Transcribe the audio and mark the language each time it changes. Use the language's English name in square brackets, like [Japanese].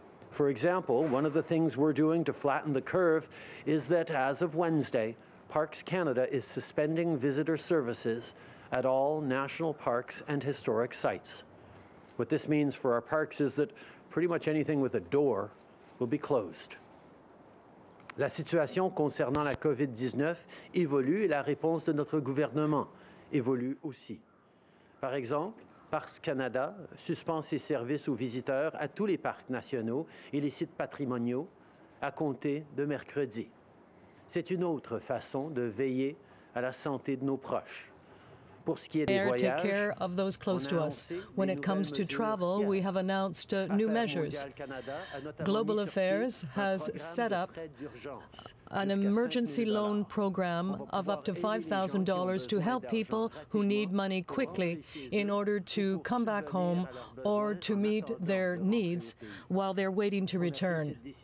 [English] For example, one of the things we're doing to flatten the curve is that as of Wednesday, Parks Canada is suspending visitor services at all national parks and historic sites. What this means for our parks is that pretty much anything with a door will be closed. [French] La situation concernant la COVID-19 évolue et la réponse de notre gouvernement évolue aussi. Par exemple, Parks Canada suspend ses services aux visiteurs à tous les parcs nationaux et les sites patrimoniaux à compter de mercredi. C'est une autre façon de veiller à la santé de nos proches. [English] Take care of those close to us. When it comes to travel, we have announced new measures. Global Affairs has set up an emergency loan program of up to $5,000 to help people who need money quickly in order to come back home or to meet their needs while they're waiting to return.